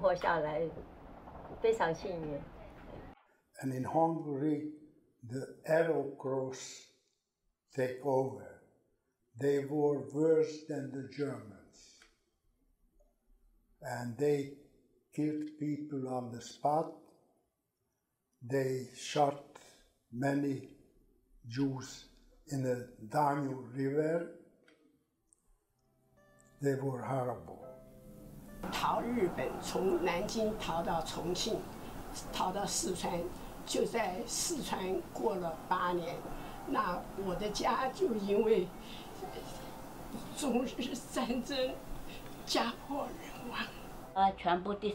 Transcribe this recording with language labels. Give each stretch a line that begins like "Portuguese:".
Chinese: 所以这个皮拉轰炸呢，有一次真的把我们家就是把那个宿舍全部都炸毁了，不止我们一家了，全部炸毁了。那么它并不是要炸宿舍，而是要炸工厂。那所以我们的还好，那个时候是在山里的防空洞里面。这个防空洞呢，也是特别开的。那么我们几个孩子，连我母亲都在这个防空洞里面，我母亲得白喉，都是很严重的传染病。所以都能够存活下来，非常幸运。
English: And in Hungary, the Arrow Cross take over. They were worse than the Germans. And they killed people on the spot. They shot many Jews in the Danube River. They were horrible.
Chinese: 逃日本，从南京逃到重庆，逃到四川。就在四川过了八年，那我的家就因为中日战争家破人亡，全部